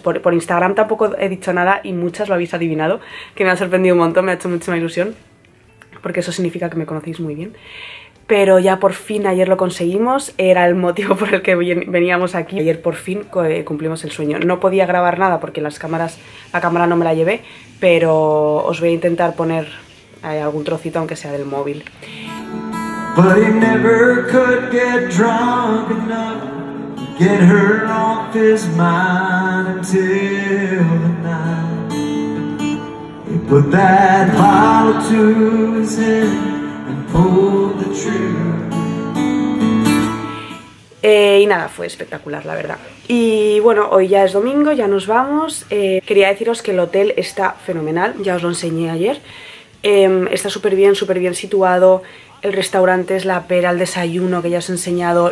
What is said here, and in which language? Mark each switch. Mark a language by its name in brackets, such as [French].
[Spanish] Por Instagram tampoco he dicho nada y muchas lo habéis adivinado, que me ha sorprendido un montón, me ha hecho muchísima ilusión, porque eso significa que me conocéis muy bien. Pero ya por fin ayer lo conseguimos, era el motivo por el que veníamos aquí. Ayer por fin cumplimos el sueño. No podía grabar nada porque la cámara no me la llevé, pero os voy a intentar poner algún trocito, aunque sea del móvil. [English] But he never could get drunk enough. Get her off his mind until the night. He put that bottle to his head and pulled the trigger. [Spanish] Y nada, fue espectacular, la verdad. Y bueno, hoy ya es domingo, ya nos vamos. Quería deciros que el hotel está fenomenal, ya os lo enseñé ayer. Está súper bien situado. El restaurante es la pera, el desayuno que ya os he enseñado.